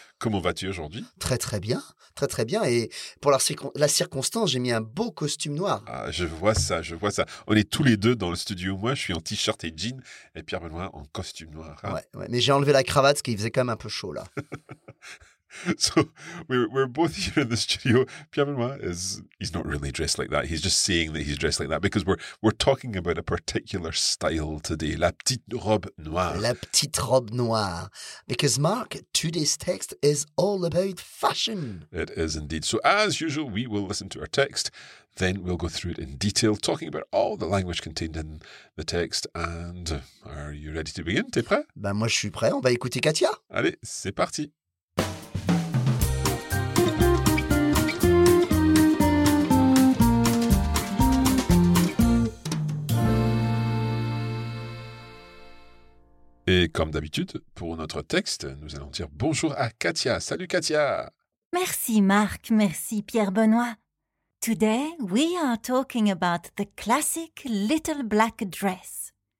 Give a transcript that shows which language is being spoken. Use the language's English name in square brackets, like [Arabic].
[French] Comment vas-tu aujourd'hui? Très, très bien. Très, très bien. Et pour la circonstance, j'ai mis un beau costume noir. Ah, je vois ça. On est tous les deux dans le studio. Moi, je suis en t-shirt et jean et Pierre-Benoît en costume noir. Ah. Ouais. Mais j'ai enlevé la cravate parce qu'il faisait quand même un peu chaud, là. [English] So, we're both here in the studio. Pierre-Benoît he's not really dressed like that. He's just saying that he's dressed like that because we're talking about a particular style today. [French] La petite robe noire. La petite robe noire. [English] Because, Marc, today's text is all about fashion. It is indeed. So, as usual, we will listen to our text. Then we'll go through it in detail, talking about all the language contained in the text. And are you ready to begin? [French] T'es prêt? Ben, moi, je suis prêt. On va écouter Katia. Allez, c'est parti. Et comme d'habitude, pour notre texte, nous allons dire bonjour à Katia. Salut Katia! Merci Marc, merci Pierre-Benoît. [English] Today, we are talking about the classic little black dress.